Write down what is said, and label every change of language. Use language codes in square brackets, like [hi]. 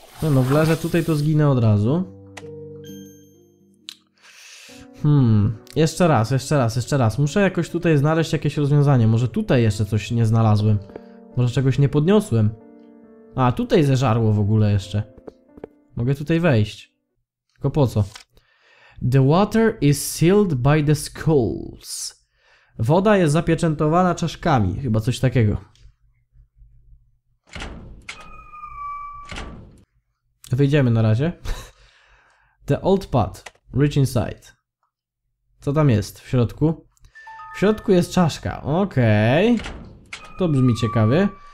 [pl] No, wlezę tutaj, to zginę od razu. Jeszcze raz. Muszę jakoś tutaj znaleźć jakieś rozwiązanie. Może tutaj jeszcze coś nie znalazłem. Może czegoś nie podniosłem. A, tutaj zeżarło w ogóle jeszcze. Mogę tutaj wejść. Tylko po co? [en] The water is sealed by the skulls. [pl] Woda jest zapieczętowana czaszkami. Chyba coś takiego. Wyjdziemy na razie. [en] The old pot. Reach inside. [pl] Co tam jest w środku? W środku jest czaszka. Okej. To brzmi ciekawie.